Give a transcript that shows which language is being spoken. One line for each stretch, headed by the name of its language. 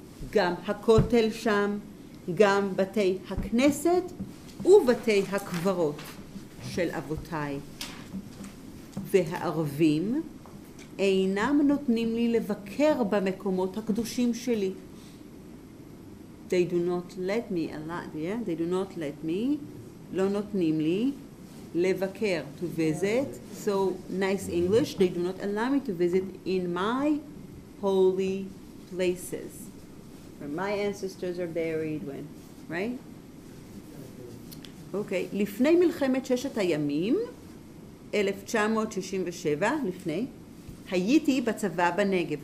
Hebrew: גם הכותל שם, גם בתי הכנסת ובתי הקברות של אבותיי. והערבים אינם נותנים לי לבקר במקומות הקדושים שלי.
English: They do not let me, they do not let me, לא נותנים לי לבקר, to visit. So, nice English, they do not allow me to visit in my holy places. Where my ancestors are buried when, right?
Hebrew: Okay, לפני מלחמת ששת הימים, 1967, לפני, הייתי בצבא בנגב.